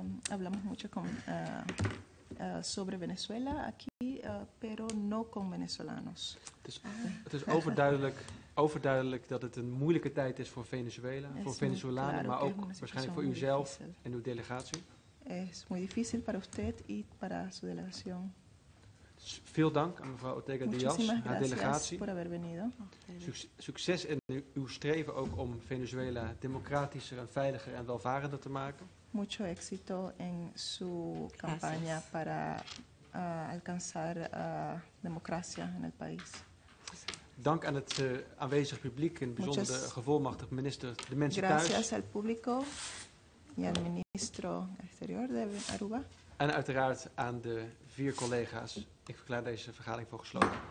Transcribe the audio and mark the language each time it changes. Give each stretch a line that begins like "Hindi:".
Spanish: Hablamos mucho con sobre Venezuela aquí, pero no con venezolanos.
Dutch: Het is overduidelijk dat het een moeilijke tijd is voor Venezuela, voor Venezolanen,
Spanish: claro,
Dutch: maar ook waarschijnlijk voor uzelf en uw delegatie.
Spanish: Es muy difícil para usted y para su delegación.
Dutch: Veel dank aan mevrouw Ortega Díaz, haar delegatie.
Spanish: Por haber venido.
Dutch: Succes in uw streven ook om Venezuela democratischer en veiliger en welvarender te maken.
Spanish: Mucho éxito en su campaña. Gracias. Para alcanzar democracia en el país.
Dutch: Dank aan het aanwezig publiek, en bijzonder de gevolmachtigd minister, de mensen
Spanish: gracias
Dutch: thuis.
Spanish: Gracias al público y al ministro exterior de Aruba.
Dutch: En uiteraard aan de vier collega's. Ik verklaar deze vergadering voor gesloten.